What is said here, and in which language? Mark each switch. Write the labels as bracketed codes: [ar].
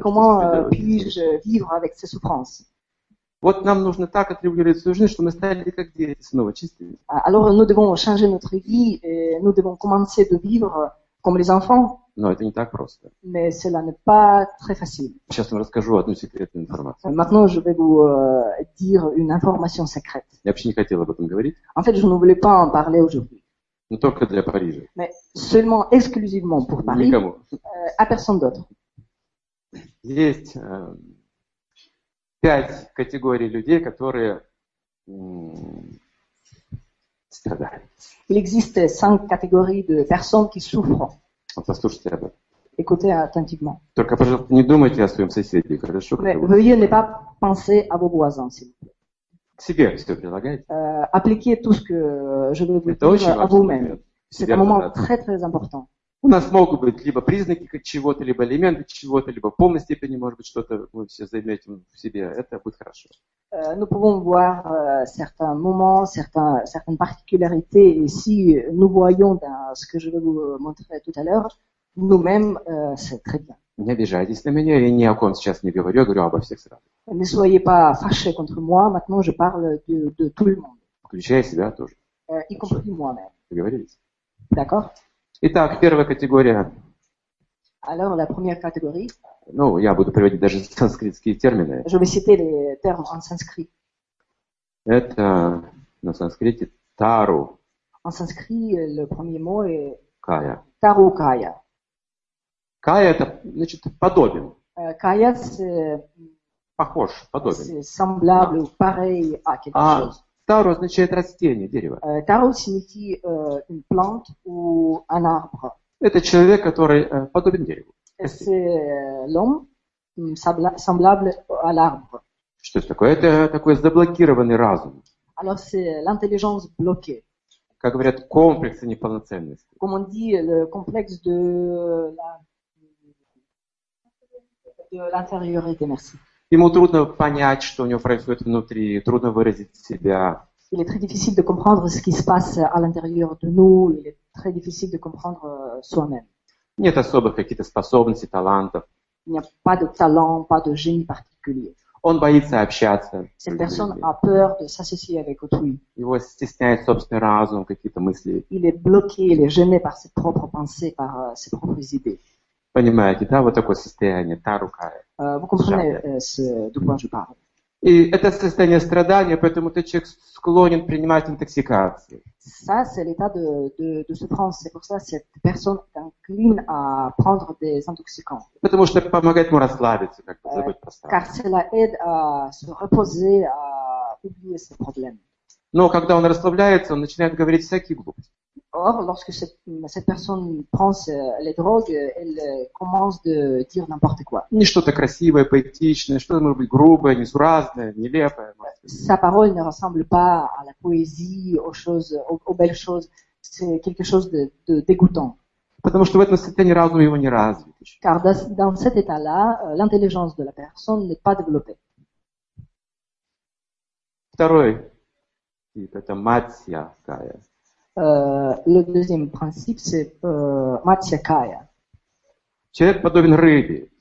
[fr] Comment puis-je vivre avec ces souffrances? [ru] Вот нам нужно так отрегулировать свою жизнь, чтобы мы стали как дети снова чистыми. [fr] Alors nous devons changer notre vie et nous devons commencer de vivre comme les enfants. [ru] Но это не так просто. [fr] Mais cela n'est pas très facile. [ru] Сейчас вам расскажу одну секретную информацию. [fr] Maintenant je vais vous dire une information secrète. [ru] Я вообще не хотел об этом говорить. [fr] En fait, je ne voulais pas en parler aujourd'hui. [ru] Но только для Парижа. [fr] Mais seulement exclusivement pour Paris. [ru] Никому. [fr] À personne d'autre. [ru] Есть пять категорий людей, которые страдают. [fr] Il existe cinq catégories de personnes qui souffrent. [ru] Вот послушайте об этом. [fr] Écoutez attentivement. [ru] Только, пожалуйста, не думайте о своем соседе, хорошо? [fr] Mais veuillez ne pas penser à vos voisins, s'il vous plaît. [ru] К себе все прилагайте. [fr] Appliquez tout ce que je vais vous dire à vous-même. C'est un moment très très important. [ru] У нас могут быть либо признаки чего-то, либо элементы чего-то, либо в полной степени, может быть, что-то мы все заметим в себе. Это будет хорошо. [fr] Nous pouvons voir certains moments, certaines particularités. Et si nous voyons ce que je vais vous montrer tout à l'heure, nous-mêmes, c'est très bien. [ru] Не обижайтесь на меня, я ни о ком сейчас не говорю, я говорю обо всех сразу. [fr] Ne soyez pas fâché contre moi, maintenant je parle de tout le monde. [ru] Включая себя тоже. [fr] Y compris moi-même. [ru] Договорились? [fr] D'accord. [ru] Итак, первая категория. [fr] Alors, la première catégorie. [ru] Ну, я буду приводить даже санскритские термины. [fr] Je vais citer les termes en sanskrit. [ru] Это на санскрите тару. [fr] en sanskrit, le premier mot est [sa] kaya. [ru] Тару кая. Кая это значит подобен. Кая похож, подобен. [fr] Semblable, ah. Pareil à quelque chose. [ru] Тару означает растение, дерево. [fr] Тару signifie une plante ou un arbre. [ru] Это человек, который подобен дереву. [fr] C'est l'homme semblable à l'arbre. [ru] Что это такое? Это такой заблокированный разум. [fr] Alors c'est l'intelligence bloquée. [ru] Как говорят, комплекс неполноценности. [fr] Comme on dit, le complexe de la de l'infériorité, merci. [ru] Ему трудно понять, что у него происходит внутри, трудно выразить себя. [fr] Il est très difficile de comprendre ce qui se passe à l'intérieur de nous, il est très difficile de comprendre soi-même. [ru] Нет особых каких-то способностей, талантов. [fr] Il n'y a pas de talent, pas de génie particulier. [ru] Он боится общаться. [fr] Cette personne a peur de s'associer avec autrui. [ru] Его стесняет собственный разум, какие-то мысли. [fr] Il est bloqué, il est gêné par ses propres pensées, par ses propres idées. [ru] Понимаете, да, вот такое состояние, та рука. Вы понимаете, [fr] ce de quoi je parle. [ru] И это состояние страдания, поэтому этот человек склонен принимать интоксикации. [fr] Ça, c'est l'état de souffrance. C'est pour ça que cette personne est incline à prendre des intoxicants. [ru] Потому что помогает ему расслабиться, как бы забыть про страх. [fr] Car cela aide à se reposer, à oublier ses problèmes. [ru] Но когда он расслабляется, он начинает говорить всякие глупости. [fr] Or, lorsque cette personne prend les drogues, elle commence de dire n'importe quoi. [ru] Не что-то красивое, поэтичное, что-то может быть грубое, несуразное, нелепое. [fr] Sa parole ne ressemble pas à la poésie, aux choses, aux belles choses. C'est quelque chose de dégoûtant. [ru] Потому что в этом состоянии разум его не развит. [fr] Car dans cet état-là, l'intelligence de la personne n'est pas développée. [ru] Второй. Это матья кая. [fr] Le deuxième principe, c'est матья кая. [ru] Человек подобен рыбе.